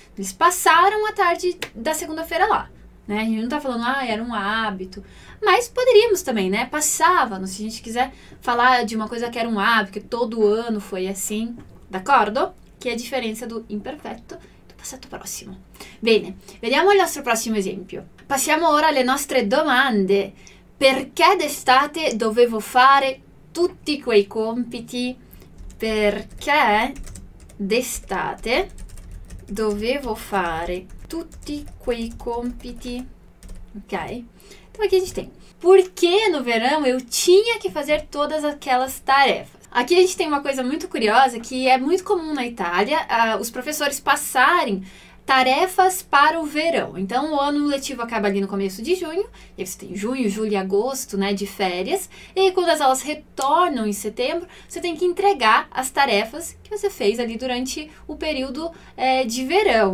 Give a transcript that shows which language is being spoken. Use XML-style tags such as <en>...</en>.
<pt>Eles passaram a tarde da segunda-feira lá. Né? A gente não tá falando, ah, era um hábito. Mas poderíamos também, né? Passava, se a gente quiser falar de uma coisa que era um hábito, que todo ano foi assim, d'accordo? Que é a diferença do imperfetto e do passato prossimo.</pt> <it>Bene, vediamo il nostro prossimo esempio. Passiamo ora alle nostre domande. Perché d'estate dovevo fare tutti quei compiti? Perché d'estate dovevo fare tutti quei compiti, ok?</it> <pt>Então aqui a gente tem: por que no verão eu tinha que fazer todas aquelas tarefas? Aqui a gente tem uma coisa muito curiosa que é muito comum na Itália, os professores passarem tarefas para o verão. Então o ano letivo acaba ali no começo de junho, e aí você tem junho, julho e agosto, né, de férias, e aí, quando as aulas retornam em setembro, você tem que entregar as tarefas que você fez ali durante o período, de verão.</pt>